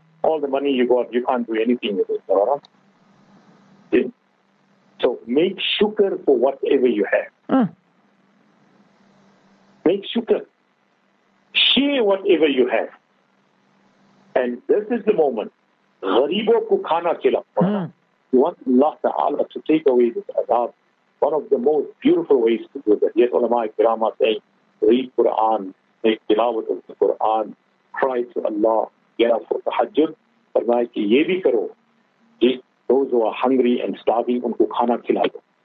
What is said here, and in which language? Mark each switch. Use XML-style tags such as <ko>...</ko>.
<en>All the money you got, you can't do anything with it. All right? So make shukr for whatever you have. Make shukr. Share whatever you have. And this is the moment</en> <ur>غریبوں کو کھانا کھلا پڑتا.</ur> <en>اللہ تعالیٰ to take away this عذاب. One of the most beautiful ways to do that. Yet علماء کرام saying, read Quran, make tilawat of the Quran, cry to Allah, get up for tahajjud.</en> <ur>فرمایا کہ یہ بھی کرو کہ</ur> <en>those who are hungry and starving,</en> <ur>ان کو کھانا کھلا دو.</ur>